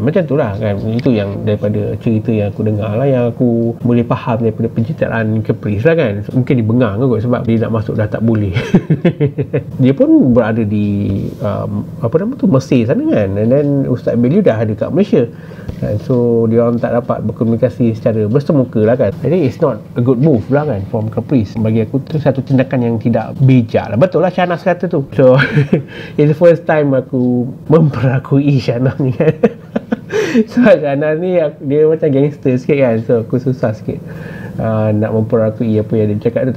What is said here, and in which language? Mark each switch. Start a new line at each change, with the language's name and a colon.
Malay: Macam tu lah kan, itu yang daripada cerita yang aku dengar lah, yang aku boleh faham daripada penceritaan Caprice lah kan. So mungkin dia bengang kot sebab dia nak masuk dah tak boleh. Dia pun berada di apa nama tu, Mesir sana kan,
English: and then
Malay: Ustaz Abid Liu dah ada kat Malaysia kan. So dia orang tak dapat berkomunikasi secara bersemuka lah kan. Jadi
English: it's not a good move
Malay: lah kan
English: from Caprice.
Malay: Bagi aku tu satu tindakan yang tidak bijak lah. Betul lah Syahnaz kata tu.
English: So it's the first time
Malay: aku memperakui Syahnaz ni kan. So Syahnaz ni dia macam gangster sikit kan. So aku susah sikit nak memperakui apa yang dia cakap tu.